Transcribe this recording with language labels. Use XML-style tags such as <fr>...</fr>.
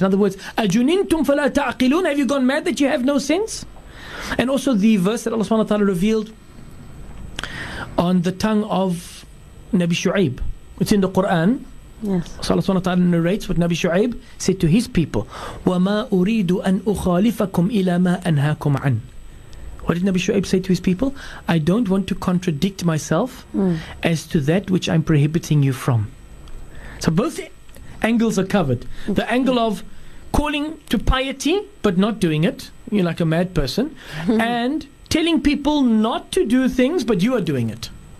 <en>In other words,</en> <ar>أَجُنِنْتُمْ فَلَا تَعْقِلُونَ.</ar> <en>Have you gone mad that you have no sense? And also the verse that Allah subhanahu wa ta'ala revealed on the tongue of Nabi Shu'ayb. It's in the Quran. Yes. Allah subhanahu wa ta'ala narrates what Nabi Shu'aib said to his people.</en> <ar>وَمَا أُرِيدُ أَنْ أُخَالِفَكُمْ إِلَى مَا أَنْهَاكُمْ عَنْ.</ar> <en>What did Nabi Shu'aib say to his people? I don't want to contradict myself as to that which I'm prohibiting you from. So both angles are covered. The angle of calling to piety but not doing it, you're like a mad person, and telling people not to do things but you are doing it.</en>